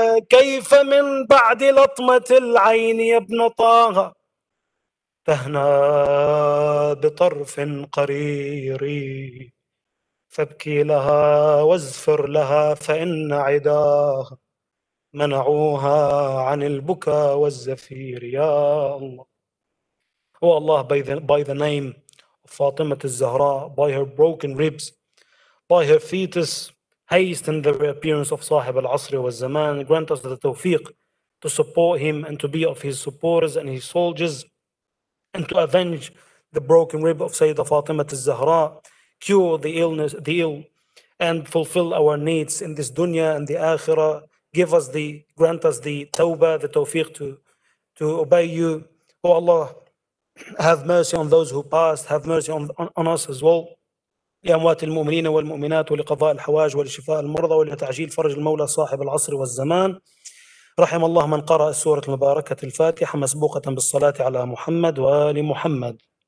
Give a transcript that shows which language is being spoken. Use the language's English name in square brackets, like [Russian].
[Arabic] كيف من بعد لطمة العين يا ابن طه تهنى بطرف قرير فابكي لها وازفر لها فإن عداها منعوها عن البكا والزفير يا الله. Oh Allah, by the name [English] Fatima Zahra by her broken ribs, by her fetus, hasten the reappearance of Sahib al-Asri wa al-Zaman, grant us the tawfiq to support him and to be of his supporters and his soldiers, and to avenge the broken rib of Sayyidah Fatima al-Zahra, cure the illness, the ill, and fulfill our needs in this dunya and the akhirah. Give us the, grant us the tawbah, the tawfiq to obey you. O Allah, have mercy on those who passed, have mercy on us as well. [Arabic] لأموات المؤمنين والمؤمنات ولقضاء الحوائج ولشفاء المرضى ولتعجيل فرج المولى صاحب العصر والزمان رحم الله من قرأ سورة المباركة الفاتحة مسبوقة بالصلاة على محمد وآل محمد.